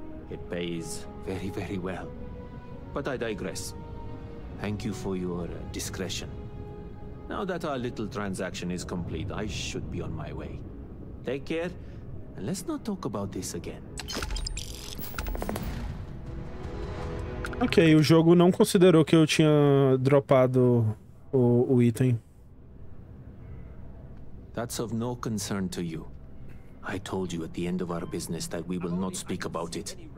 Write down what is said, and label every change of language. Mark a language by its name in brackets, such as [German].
[English] It pays very, very well. But I digress. Thank you for your discretion. Now that our little transaction is complete, I should be on my way. Take care, and let's not talk about this again. [Portuguese] Ok, o jogo não considerou que eu tinha dropado o item. [English] That's of no concern to you. I told you at the end of our business that we will not speak about it.